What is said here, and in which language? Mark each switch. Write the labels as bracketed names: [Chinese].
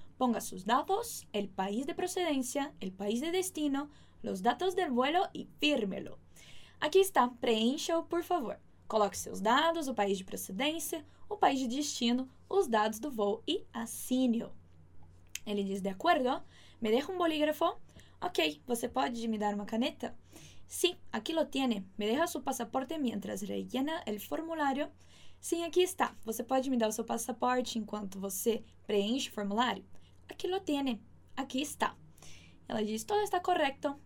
[Spanish] Ponga sus datos, el país de procedencia, el país de destino, los datos del vuelo y fírmelo. [Portuguese] Aquí está, preencha-o, por favor. Coloque seus dados, o país de procedência, o país de destino, os dados do voo e assine-o. Ele diz, de acuerdo, me deja un bolígrafo. Ok, você pode me dar uma caneta? [Spanish] Sim, aquí lo tiene, me deja su pasaporte mientras rellena el formulario. [Portuguese] Sim, aqui está, você pode me dar o seu passaporte enquanto você preenche o formulário? Aquí lo tiene. Aquí está. Ela diz, todo está correcto.